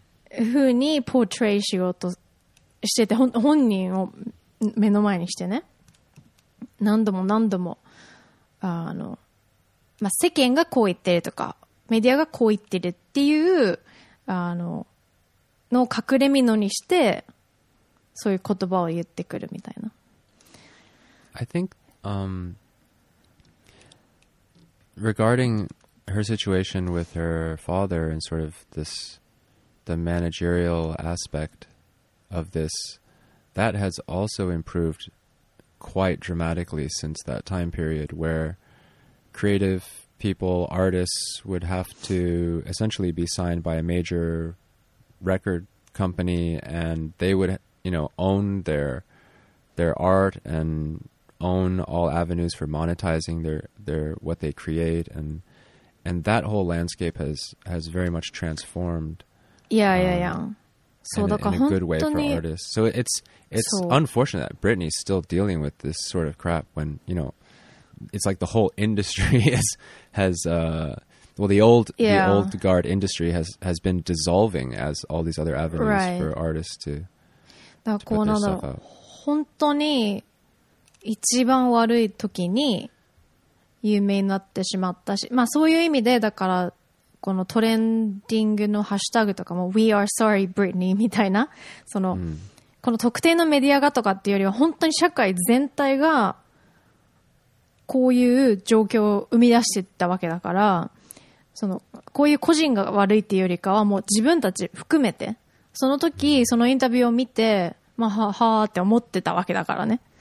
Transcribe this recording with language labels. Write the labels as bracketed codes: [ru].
[ja] 風にポートレイしようとしてて、本人を目の前にしてね、何度も何度も、あの、まあ、世間がこう言ってるとかメディアがこう言ってるっていう、あの、のを隠れ蓑にしてそういう言葉を言ってくるみたいな。 [en] I think、regarding her situation with her father and sort of this, the managerial aspect of this, that has also improved quite dramatically since that time period, where creative people, artists would have to essentially be signed by a major record company, and they would, you know, own their art and own all avenues for monetizing their what they create, and that whole landscape has very much transformed. Yeah, yeah, yeah. So in a good way for artists. So it's unfortunate that Britney's still dealing with this sort of crap when, you know, it's like the whole industry has the old guard industry has been dissolving as all these other avenues for artists to put their stuff out. [ja] 一番悪い時に有名になってしまったし、まあそういう意味で、だからこのトレンディングのハッシュタグとかも [en] We are sorry Britney [ja] みたいな、その、うん、この特定のメディアがとかっていうよりは本当に社会全体がこういう状況を生み出していったわけだから、そのこういう個人が悪いっていうよりかはもう自分たち含めて、その時そのインタビューを見て、まあ、はーって思ってたわけだからね。